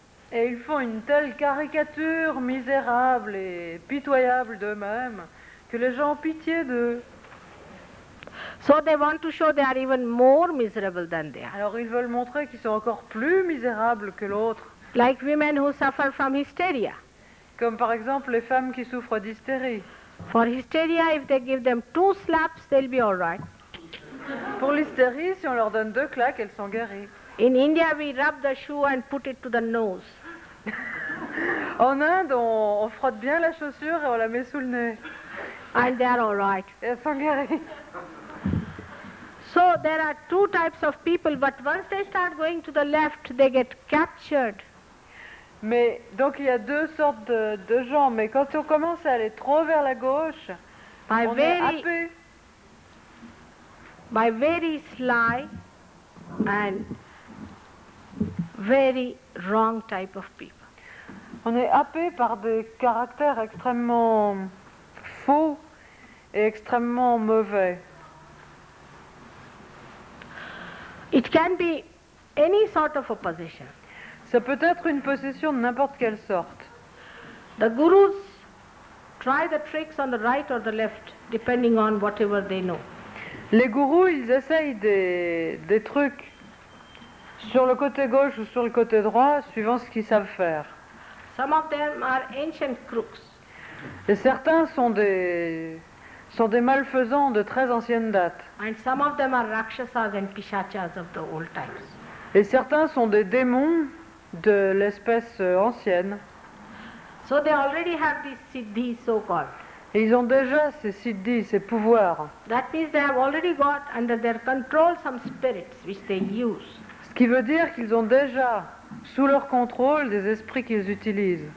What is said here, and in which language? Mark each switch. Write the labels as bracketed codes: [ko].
[fr] Et ils font une telle caricature misérable et pitoyable d'eux-mêmes que les gens ont pitié d'eux. [en] So they want to show they are even more miserable than they are. [fr] Alors ils veulent montrer qu'ils sont encore plus misérables que l'autre. [en] Like women who suffer from hysteria. [fr] Comme par exemple les femmes qui souffrent d'hystérie. [en] For hysteria, if they give them two slaps, they'll be all right. [fr] Pour l'hystérie, si on leur donne deux claques, elles sont guéries. [en] In India, we rub the shoe and put it to the nose. [fr] En Inde, on frotte bien la chaussure et on la met sous le nez. [en] And they're all right. [fr] Et elles sont guéries. [en] So there are two types of people, but once they start going to the left, they get captured. [fr] Mais donc il y a deux sortes de gens, mais quand on commence à aller trop vers la gauche, [en] by [fr] on [en] very, [fr] est happé. [en] By very sly and very wrong type of people. [fr] On est happé par des caractères extrêmement faux et extrêmement mauvais. [en] It can be any sort of opposition. [fr] Ça peut être une possession de n'importe quelle sorte. [en] The gurus try the tricks on the right or the left, depending on whatever they know. [fr] Les gourous, ils essayent des trucs sur le côté gauche ou sur le côté droit, suivant ce qu'ils savent faire. [en] Some of them are ancient crooks. [fr] Et certains sont des malfaisants de très ancienne date. [en] And some of them are rakshasas and pishachas of the old times. [fr] Et certains sont des démons de l'espèce ancienne. [en] So they already have these siddhis, so-called. [fr] Et ils ont déjà ces siddhis, ces pouvoirs. [en] That means they have already got under their control some spirits which they use. [fr] Ce qui veut dire qu'ils ont déjà sous leur contrôle des esprits qu'ils utilisent.